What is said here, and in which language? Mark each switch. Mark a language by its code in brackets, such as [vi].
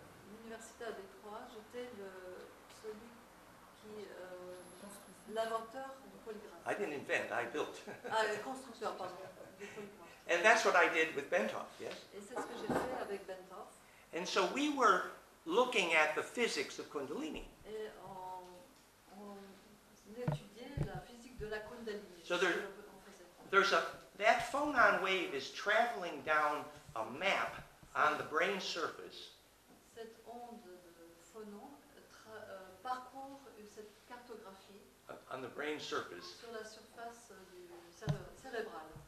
[fr] L'Université de Détroit, j'étais celui qui l'inventeur. [en] I didn't invent, I built. [fr] constructeur, pardon. [en] And that's what I did with Bentoff, yes? [fr] Et c'est ce que j'ai fait avec Bentoff. [en] And so we were looking at the physics of Kundalini. [fr] Et on étudiait la physique de la Kundalini. [en] So there's a, that phonon wave is traveling down a map on the brain surface. [fr] Cette onde de phonon parcourt cette cartographie. [en] On the brain surface. [fr] Sur la surface du cérébral.